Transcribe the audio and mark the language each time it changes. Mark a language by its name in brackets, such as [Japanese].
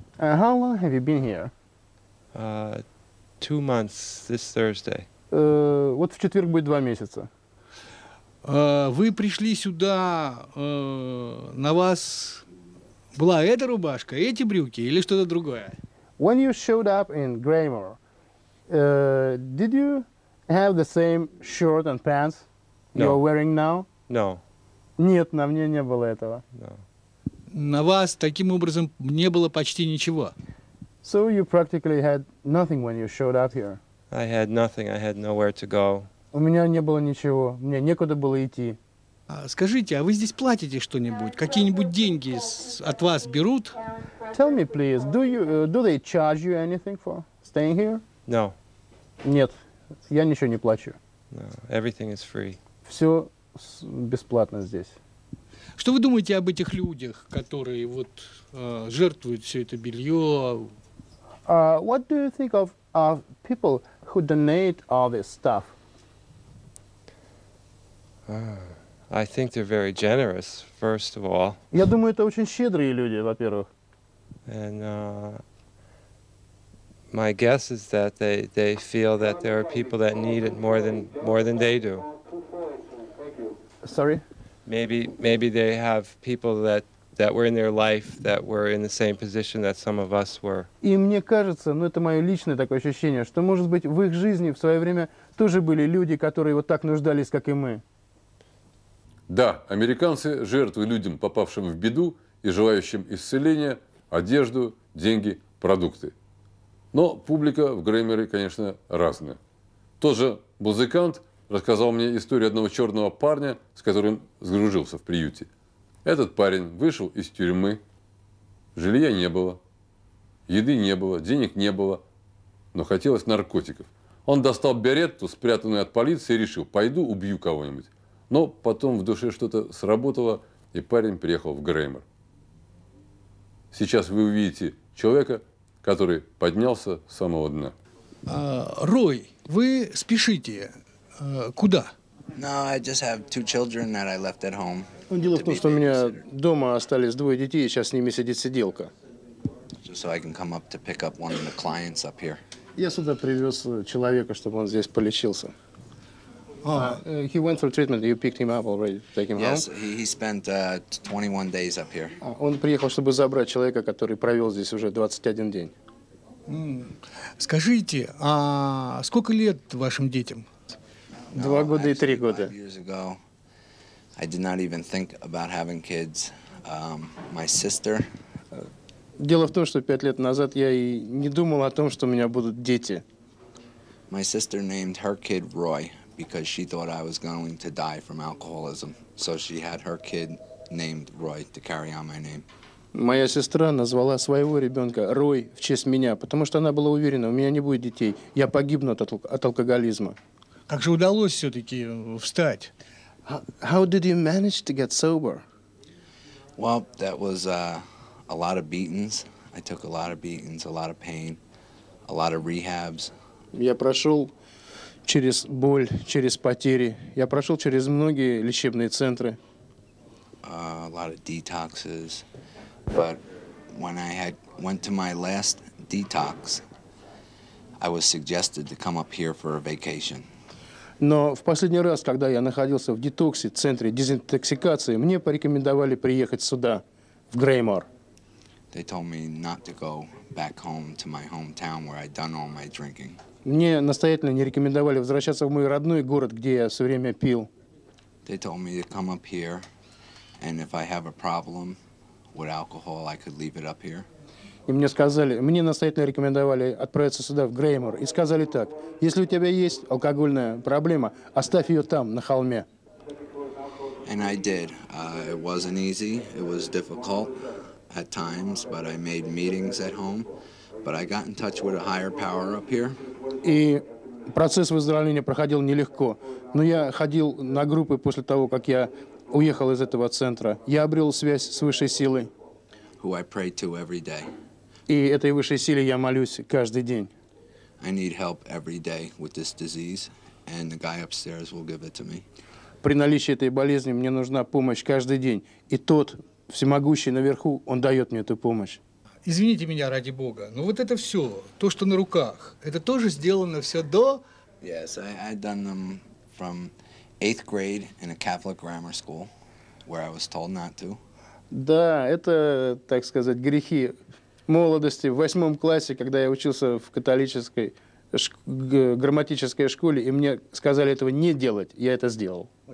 [English] How long have you been here? 2 months this Thursday. [Russian] Вот в четверг будет 2 месяца. Вы пришли сюда, на вас была эта рубашка, эти брюки или что-то другое? [English] When you showed up in Greymore, did you have the same shirt and pants you are wearing now? No. [Russian] Нет, на мне не было этого. [English] No. [Russian] На вас таким образом не было почти ничего. [English] So you practically had nothing when you showed up here. I had nothing. I had nowhere to go. [Russian] У меня не было ничего. Мне некуда было идти. Скажите, а вы здесь платите что-нибудь? Какие-нибудь деньги от вас берут? [English] Tell me, please, do they charge you anything for staying here? No. [Russian] Нет, я ничего не плачу. [English] No, everything is free. [Russian] Все бесплатно здесь. Что вы думаете об этих людях, которые вот жертвуют все это белье? [English] What do you think of people who donate all this stuff? I think they're very generous, first of all. [Russian] Я думаю, это очень щедрые люди, во-первых. [English] And my guess is that they feel that there are people that need it more than they do. Sorry? Maybe they have people that were in their life that were in the same position that some of us were. [Russian] И мне кажется, ну это мое личное такое ощущение, что может быть в их жизни в свое время тоже были люди, которые вот так нуждались, как и мы. Да, американцы жертвуют людям, попавшим в беду и желающим исцеления, одежду, деньги, продукты. Но публика в Греймере, конечно, разная. Тот же музыкант рассказал мне историю одного черного парня, с которым сгрузился в приюте. Этот парень вышел из тюрьмы, жилья не было, еды не было, денег не было, но хотелось наркотиков. Он достал беретту, спрятанную от полиции, и решил: пойду убью кого-нибудь. Но потом в душе что-то сработало, и парень приехал в Греймер. Сейчас вы увидите человека, который поднялся с самого дна. Рой, вы спешите. Куда? [English] No, I just have 2 children that I left at home. [Russian] Ну, дело в том, что у меня дома остались 2 детей, и сейчас с ними сидит сиделка. [English] Just so I can come up to pick up one of the clients up here. [Russian] Я сюда привез человека, чтобы он здесь полечился. [English] He went for treatment. You picked him up already. Take him yes, home. Yes, he spent 21 days up here. [Russian] Он приехал, чтобы забрать человека, который провел здесь уже 21 день. Скажите, а сколько лет вашим детям? 2 года и 3 года. [English] Five years ago, I did not even think about having kids. My sister. [Russian] Дело в том, что 5 лет назад я и не думал о том, что у меня будут дети. [English] My sister named her kid Roy. because she thought I was going to die from alcoholism. So she had her kid named Roy to carry on my name. [Russian] Моя сестра назвала своего ребенка Рой в честь меня, потому что она была уверена, у меня не будет детей, я погибну от алкоголизма. Как же удалось все-таки встать? [English] How did you manage to get sober? Well, that was a lot of beatings. I took a lot of beatings, a lot of pain, a lot of rehabs. [Russian] Я прошел через боль, через потери. Я прошел через многие лечебные центры. [English] A lot of detoxes. But when I had went to my last detox, I was suggested to come up here for a vacation. [Russian] Но в последний раз, когда я находился в детоксе, центре дезинтоксикации, мне порекомендовали приехать сюда, в Греймор. [English] They told me not to go back home to my hometown where I'd done all my drinking. [Russian] Мне настоятельно не рекомендовали возвращаться в мой родной город, где я все время пил. [English] They told me to come up here, and if I have a problem with alcohol, I could leave it up here. [Russian] И мне сказали, мне настоятельно рекомендовали отправиться сюда, в Греймор, и сказали так: если у тебя есть алкогольная проблема, оставь ее там, на холме. [English] And I did. It wasn't easy. It was difficult at times, but I made meetings at home. But I got in touch with a higher power up here. [Russian] И процесс выздоровления проходил нелегко, но я ходил на группы после того, как я уехал из этого центра. Я обрел связь с высшей силой. [English] Who I pray to every day. [Russian] И этой высшей силе я молюсь каждый день. [English] I need help every day with this disease, and the guy upstairs will give it to me. [Russian] При наличии этой болезни мне нужна помощь каждый день, и тот всемогущий наверху, он дает мне эту помощь. Извините меня ради Бога, но вот это все, то, что на руках, это тоже сделано все до? [English] Yes, I done them from eighth grade in a Catholic grammar school, where I was told not to. [Russian] Да, это, так сказать, грехи молодости в восьмом классе, когда я учился в католической грамматической школе, и мне сказали этого не делать, я это сделал.